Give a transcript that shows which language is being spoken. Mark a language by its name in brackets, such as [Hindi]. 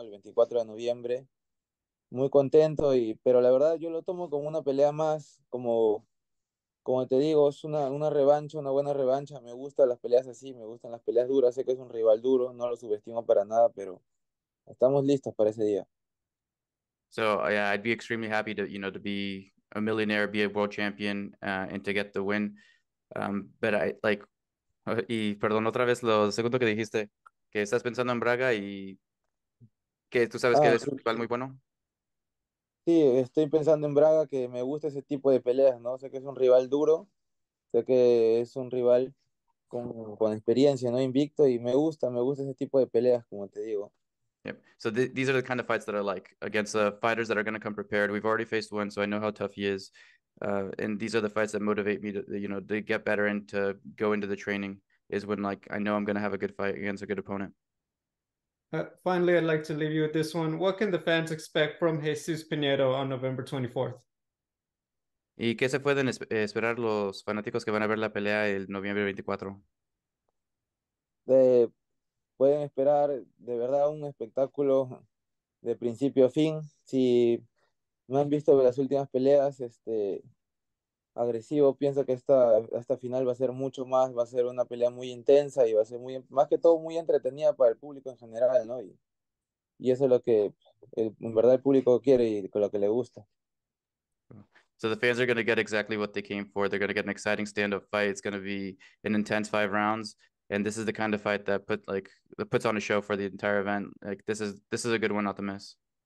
[Spanish] El 24 de noviembre. Muy contento pero la verdad yo lo tomo como una pelea más, como te digo, es una revancha, una buena revancha. Me gustan las peleas así, me gustan las peleas duras. Sé que es un rival duro, no lo subestimo para nada, pero estamos listos para ese día. [English] So yeah, I'd be extremely happy to, you know, to be a millionaire, be a world champion, and to get the win. But I like, [Spanish] y perdón otra vez lo segundo que dijiste, que estás pensando en Braga y que tú sabes que Ah, eres un rival muy bueno. sí, estoy pensando en Braga, que me gusta ese tipo de peleas, ¿no? Sé que es un rival duro, sé que es un rival con experiencia, ¿no? Invicto, y me gusta ese tipo de peleas, como te digo. [English] So these are the kind of fights that I like against fighters that are going to come prepared. We've already faced one, so I know how tough he is. And these are the fights that motivate me to, you know, to get better and to go into the training is when like I know I'm going to have a good fight against a good opponent. Finally, I'd like to leave you with this one. What can the fans expect from Jesus Pinedo on November 24th? [Spanish] ¿Y qué se pueden esperar los fanáticos que van a ver la pelea el noviembre 24? Pueden esperar de verdad un espectáculo de principio a fin. Si no han visto las últimas peleas, agresivo, pienso que esta final va a ser mucho más, va a ser una pelea muy intensa y va a ser muy, más que todo, muy entretenida para el público en general, ¿no? Y eso es lo que en verdad el público quiere y con lo que le gusta. [English] So the fans are going to get exactly what they came for. They're going to get an exciting stand-up fight. It's going to be an intense 5 rounds, and this is the kind of fight that puts on a show for the entire event. Like this is a good one not to miss.